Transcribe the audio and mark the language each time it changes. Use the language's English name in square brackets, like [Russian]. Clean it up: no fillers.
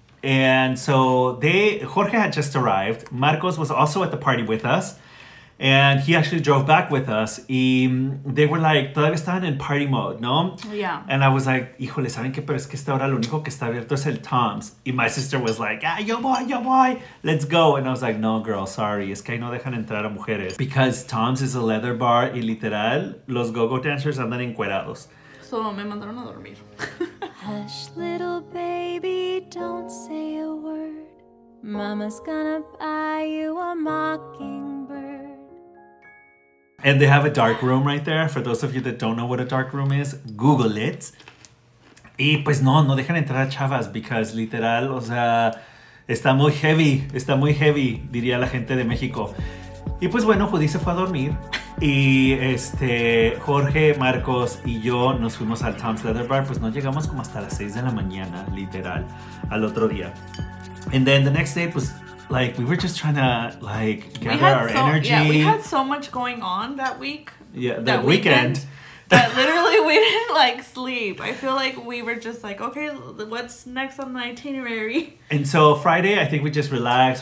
[English] And so Jorge had just arrived. Marcos was also at the party with us. And he actually drove back with us. And they were like, [Spanish] todavía estaban en party mode, ¿no? [English] Yeah. And I was like, [Spanish] híjole, ¿saben qué? Pero es que esta hora lo único que está abierto es el Tom's. [English] And my sister was like, ah, [Spanish] yo voy, [English] let's go. And I was like, no, girl, sorry. [Spanish] Es que ahí no dejan entrar a mujeres. [English] Because Tom's is a leather bar. [Spanish] Y literal, los go-go dancers andan encuerados. [English] So [Spanish] me mandaron a dormir. [English] Hush, little baby, don't say a word. Mama's gonna buy you a mockingbird. And they have a dark room right there. For those of you that don't know what a dark room is, Google it. [Spanish] Y pues no, no dejan entrar a chavas because literal, o sea, está muy heavy, diría la gente de México. Y pues bueno, Judy se fue a dormir. Y Jorge, Marcos y yo nos fuimos al Tom's Leather Bar. Pues no llegamos como hasta las 6 de la mañana, literal, al otro día. [English] And then the next day, pues... Like, we were just trying to, like, gather our energy. Yeah, we had so much going on that week. Yeah, that weekend. That literally we didn't, like, sleep. I feel like we were just like, okay, what's next on the itinerary? And so Friday, I think we just relaxed.